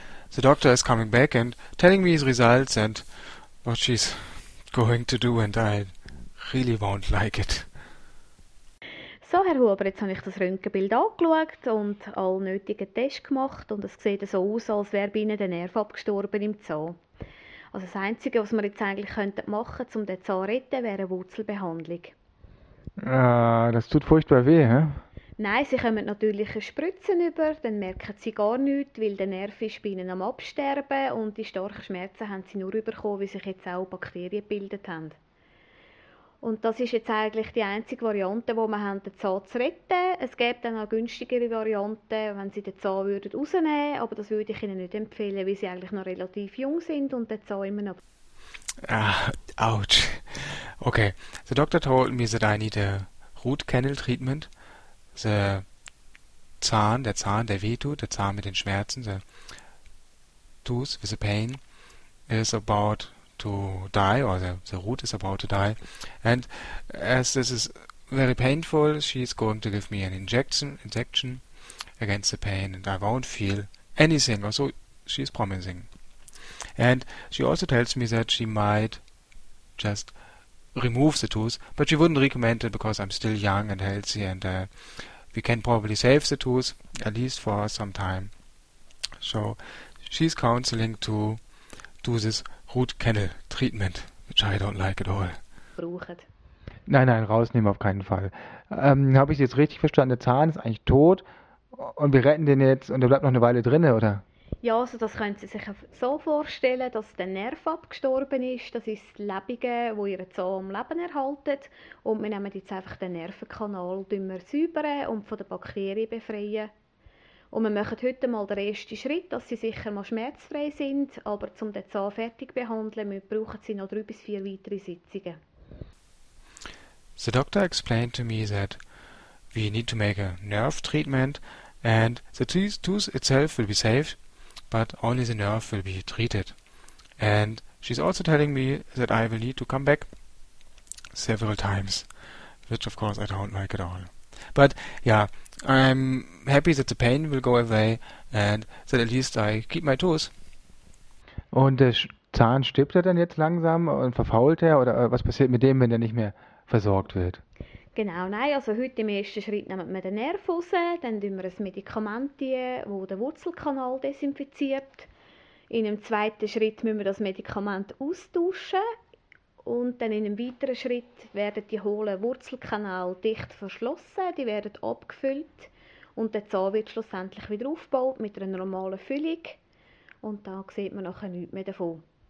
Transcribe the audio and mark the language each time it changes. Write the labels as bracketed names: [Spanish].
[English] The doctor is coming back and telling me his results and what she's going to do and I really won't like it. [German] So, Herr Huber, jetzt habe ich das Röntgenbild angeschaut und all nötigen Tests gemacht und es sieht so aus, als wäre bei Ihnen der Nerv abgestorben im Zahn. Also das Einzige, was wir jetzt eigentlich könnten machen, um den Zahn zu retten, wäre eine Wurzelbehandlung. Das tut furchtbar weh, hä? Nein, sie kommen natürlich Spritzen über, dann merken sie gar nichts, weil der Nerv ist bei ihnen am Absterben und die starken Schmerzen haben sie nur bekommen, weil sich jetzt auch Bakterien gebildet haben. Und das ist jetzt eigentlich die einzige Variante, wo man haben, den Zahn zu retten. Es gäbe dann auch günstigere Varianten, wenn sie den Zahn würden rausnehmen würden, aber das würde ich ihnen nicht empfehlen, weil sie eigentlich noch relativ jung sind und den Zahn immer noch. [English] Ah, ouch. Okay, the doctor told me that I need a root canal treatment. [German] Der Zahn, der wehtut, der Zahn mit den Schmerzen, [English] the tooth with the pain, is about to die, or the root is about to die. And as this is very painful, she is going to give me an injection against the pain, and I won't feel anything. Also, she is promising. And she also tells me that she might just remove the tooth, but she wouldn't recommend it because I'm still young and healthy, and we can probably save the tooth at least for some time. So she's counseling to do this root canal treatment, which I don't like at all. [German] Brauchen. Nein, nein, rausnehmen auf keinen Fall. Habe ich Sie jetzt richtig verstanden? Der Zahn ist eigentlich tot und wir retten den jetzt und er bleibt noch eine Weile drinne, oder? Ja, also das können Sie sich so vorstellen, dass der Nerv abgestorben ist. Das ist das Lebige, wo Ihr Zahn am Leben erhaltet. Und wir nehmen jetzt einfach den Nervenkanal säubern und von den Bakterien befreien. Und wir machen heute mal den ersten Schritt, dass Sie sicher mal schmerzfrei sind. Aber um den Zahn fertig zu behandeln, brauchen Sie noch 3 bis 4 weitere Sitzungen. [English] The doctor explained to me that we need to make a nerve treatment and the tooth itself will be saved, but only the nerve will be treated. And she's also telling me that I will need to come back several times, which of course I don't like at all. But yeah, I'm happy that the pain will go away and that at least I keep my tooth. [German] Und der Zahn, stirbt er dann jetzt langsam und verfault er? Oder was passiert mit dem, wenn er nicht mehr versorgt wird? Genau, nein. Also heute im ersten Schritt nehmen wir den Nerv raus, dann tun wir ein Medikament rein, das den Wurzelkanal desinfiziert. In einem zweiten Schritt müssen wir das Medikament austauschen und dann in einem weiteren Schritt werden die hohlen Wurzelkanäle dicht verschlossen, die werden abgefüllt und der Zahn wird schlussendlich wieder aufgebaut mit einer normalen Füllung und da sieht man nachher nichts mehr davon.